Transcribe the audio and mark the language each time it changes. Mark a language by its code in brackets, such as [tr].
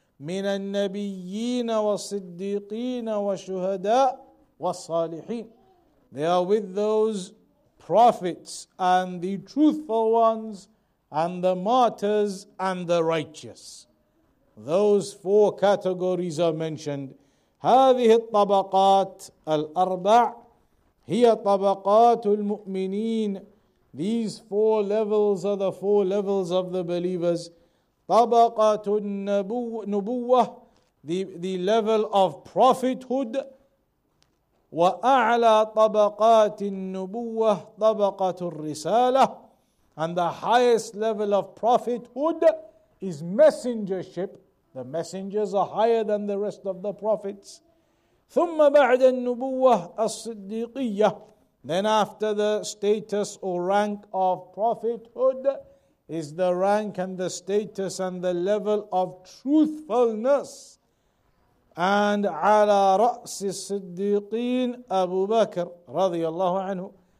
[ar] مِنَ النَّبِيِّينَ وَالصِّدِّيقِينَ وَالشُّهَدَاءِ وَالصَّالِحِينَ. [en] They are with those prophets and the truthful ones and the martyrs and the righteous. Those four categories are mentioned. [ar] هذه الطبقات الأربع هي طبقات المؤمنين. [en] These four levels are the four levels of the believers. [ar] طبقة النبوة, [en] the level of prophethood. [ar] وَأَعْلَى طَبَقَاتِ النُّبُوَّةِ طَبَقَةُ الرِّسَالَةِ. [en] And the highest level of prophethood is messengership. The messengers are higher than the rest of the prophets. [ar] ثُمَّ بَعْدَ النُّبُوَّةِ الصِّدِّيقِيَّةِ. [en] Then after the status or rank of prophethood is the rank and the status and the level of truthfulness. And [ar] على رأس الصديقين أبو بكر رضي الله عنه.